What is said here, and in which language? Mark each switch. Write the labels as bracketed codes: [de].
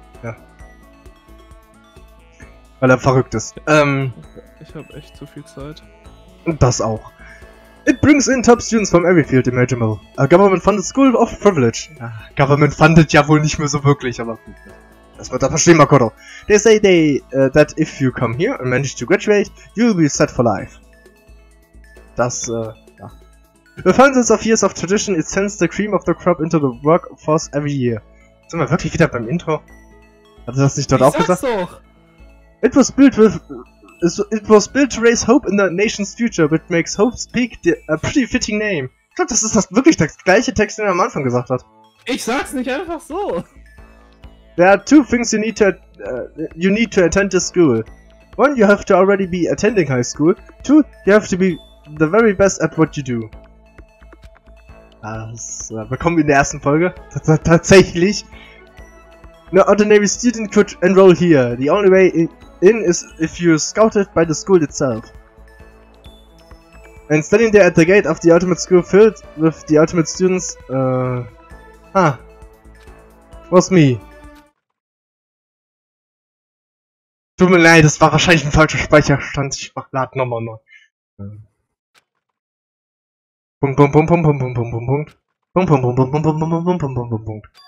[de] Ja. Weil er verrückt ist. Ich habe echt zu viel Zeit. Und das auch. [en] It brings in top students from every field imaginable. A government-funded school of privilege. [de] Ja, government-funded ja wohl nicht mehr so wirklich, aber gut. Das wird da verstehen, Makoto. [en] They say that if you come here and manage to graduate, you'll be set for life. Das, The thousands of years of tradition, it sends the cream of the crop into the workforce every year. [de] Sind wir wirklich wieder beim Intro? Hat das nicht dort auch gesagt? Ich sag's doch! [en] It was built to raise hope in the nation's future, which makes Hope's Peak a pretty fitting name. [de] Ich glaube, das ist das wirklich der gleiche Text, den er am Anfang gesagt hat. Ich sag's nicht einfach so! [en] There are two things you need to attend this school. One, you have to already be attending high school. Two, you have to be the very best at what you do. [de] Willkommen in der ersten Folge. Tatsächlich. [en] No ordinary student could enroll here. The only way in is if you're scouted by the school itself. And standing there at the gate of the ultimate school filled with the ultimate students, was me. [de] Tut mir leid, das war wahrscheinlich ein falscher Speicherstand. Ich mach lad nochmal neu. Punkt, Punkt, Punkt, Punkt, Punkt, Punkt, Punkt, Punkt, Punkt. Punkt, Punkt, Punkt, Punkt, Punkt, Punkt, Punkt, Punkt, Punkt, Punkt, Punkt, Punkt, Punkt.